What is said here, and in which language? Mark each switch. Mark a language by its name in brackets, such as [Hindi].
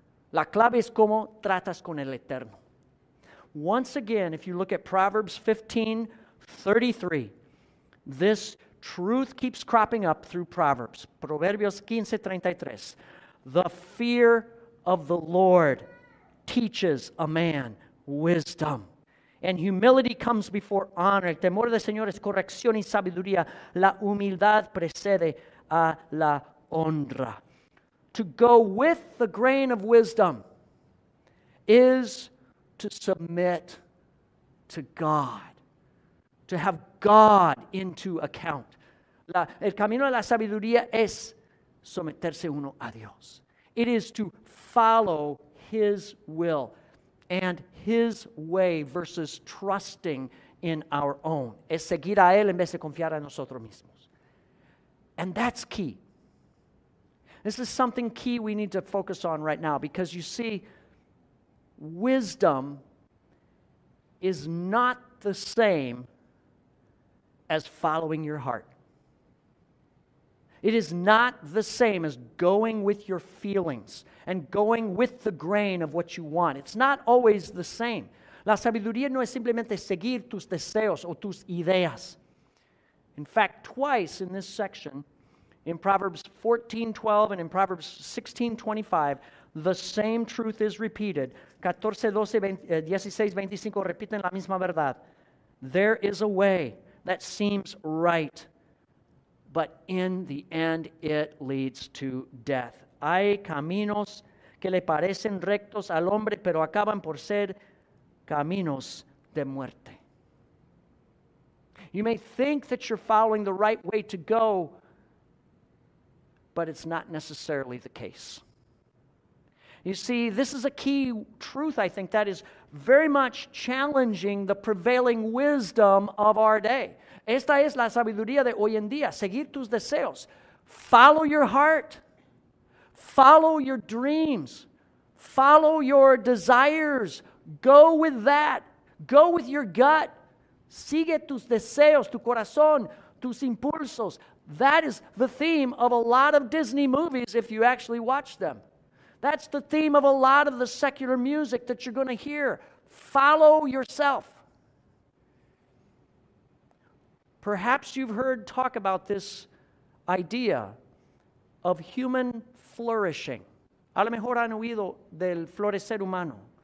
[Spanish] La clave es cómo tratas con el eterno. [English] Once again, if you look at Proverbs 15:33, this truth keeps cropping up through Proverbs. [Spanish] Proverbios 15:33. [English] The fear of the Lord teaches a man wisdom. And humility comes before honor. [Spanish] El temor del Señor es corrección y sabiduría. La humildad precede a la honra. [English] To go with the grain of wisdom is to submit to God. To have God into account. [Spanish] El camino de la sabiduría es someterse uno a Dios. [English] It is to follow His will and His way versus trusting in our own. [Spanish] Es seguir a Él en vez de confiar en nosotros mismos. [English] And that's key. This is something key we need to focus on right now because you see, wisdom is not the same as following your heart. It is not the same as going with your feelings and going with the grain of what you want. It's not always the same. [Spanish] La sabiduría no es simplemente seguir tus deseos o tus ideas. [English] In fact, twice in this section, in Proverbs 14:12 and in Proverbs 16:25, the same truth is repeated. [Spanish] 14, 12, 16, 25 repiten la misma verdad. [English] There is a way that seems right, but in the end, it leads to death. [Spanish] Hay caminos que le parecen rectos al hombre, pero acaban por ser caminos de muerte. [English] You may think that you're following the right way to go, but it's not necessarily the case. You see, this is a key truth, I think, that is very much challenging the prevailing wisdom of our day. [Spanish] Esta es la sabiduría de hoy en día. Seguir tus deseos. [English] Follow your heart. Follow your dreams. Follow your desires. Go with that. Go with your gut. [Spanish] Sigue tus deseos, tu corazón, tus impulsos. [English] That is the theme of a lot of Disney movies if you actually watch them. That's the theme of a lot of the secular music that you're going to hear. Follow yourself. Perhaps you've heard talk about this idea of human flourishing. [Spanish] A lo mejor han oído del florecer humano.